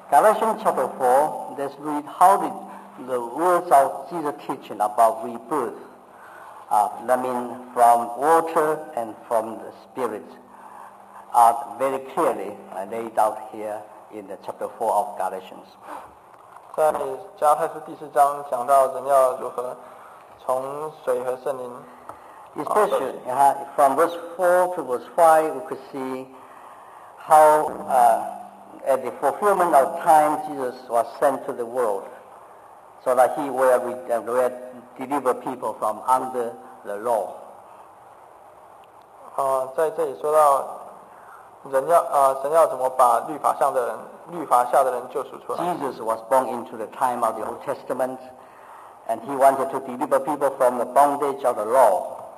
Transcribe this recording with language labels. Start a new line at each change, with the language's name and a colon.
English: Galatians chapter 4, let's read how the words of Jesus' teaching about rebirth, I mean from water and from the Spirit, are very clearly laid out here in the chapter 4 of Galatians.
Chinese: 在加太书第四章讲到人要如何从水和圣灵。
English: Especially from verse 4 to verse 5, we could see how at the fulfillment of time Jesus was sent to the world so that he will deliver people from under the law.
Chinese: 在这里说到人要神要怎么把律法上的人律法下的人救赎出来。
English: Jesus was born into the time of the Old Testament, and he wanted to deliver people from the bondage of the law.